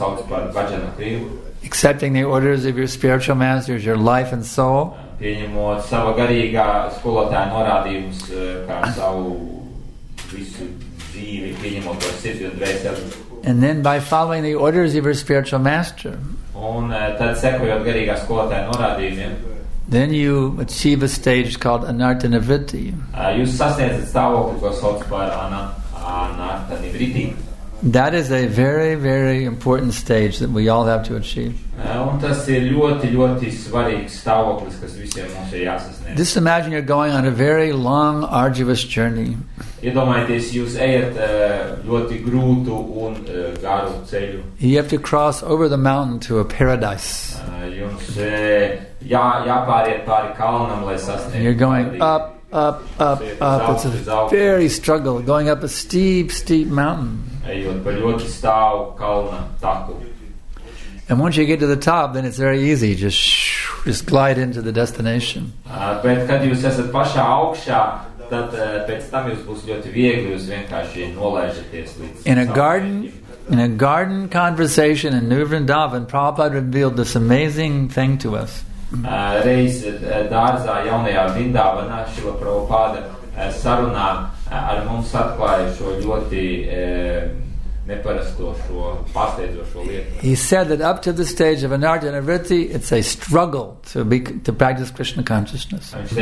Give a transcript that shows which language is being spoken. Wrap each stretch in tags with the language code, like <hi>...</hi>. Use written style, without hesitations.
<en>Accepting the orders of your spiritual masters, your life and soul.</en> <lv>Pieņemot savu garīgā skolotāja norādījumus kā savu visu dzīvi, pieņemot to sirdi un dvēseli.</lv> <en>And then by following the orders of your spiritual master.</en> <lv>Un tad sekojot garīgā skolotāja norādījumiem.</lv> <en>Then you achieve a stage called anartha nivritti.</en> <lv>Jūs sasniedzat stāvokli, ko sauc par anartha nivritti.</lv> <en>That is a very, very important stage that we all have to achieve.</en> <lv>Un tas ir ļoti, ļoti svarīgs stāvoklis, kas visiem mums ir jāsasniegt.</lv> <en>Just imagine you're going on a very long, arduous journey.</en> <lv>Iedomājieties, jūs ejat ļoti grūtu un garu ceļu.</lv> <en>You have to cross over the mountain to a paradise.</en> <lv>Jums jāpāriet pāri kalnam, lai sasniegt.</lv> <en>You're going up. It's a very struggle, going up a steep, steep mountain.</en> <lv>Ejot pa ļoti stāvu kalna taku.</lv> <en>And once you get to the top, then it's very easy. Just glide into the destination.</en> <lv>Bet kad jūs esat pašā augšā, tad pēc tam jūs būs ļoti viegli, jūs vienkārši nolaižaties līdz</lv> <en>In a garden conversation in New Vrindavan, Prabhupada revealed this amazing thing to us. He said that up to the stage of anarjana vritti, it's a struggle to practice Krishna consciousness.</en>